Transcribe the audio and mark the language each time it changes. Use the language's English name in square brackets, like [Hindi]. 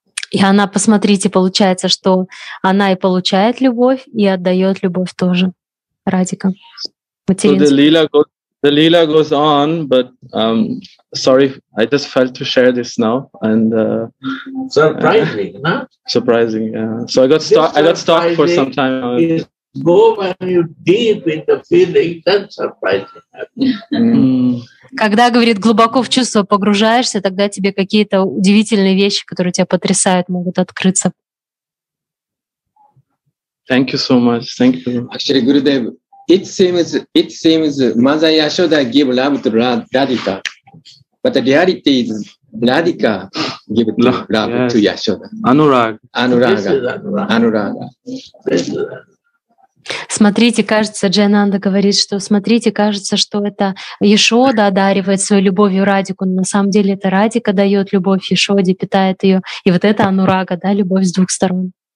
[Russian] И она, посмотрите, получается, что она и получает любовь, и отдает любовь тоже Радика. [English] The Leela goes on, but sorry, I just felt to share this now. And surprising, yeah. So I got stuck for some time. Go when you deep in the feeling, that's surprising. [Russian] Когда, говорит, глубоко в чувство погружаешься, тогда тебе какие-то удивительные вещи, которые тебя потрясают, могут открыться. [English] Thank you so much. Thank you. Actually, Gurudev. It seems Mother Yashoda give love to Radhika, but the reality is Radhika give love to Yashoda. Anuraga. [Russian] Смотрите, кажется, Джайананда говорит, что смотрите, кажется, что это Ишода одаривает свою любовью Радику, но на самом деле это Радика дает любовь Ишоде, питает ее, и вот это Анурага, да, любовь с двух сторон.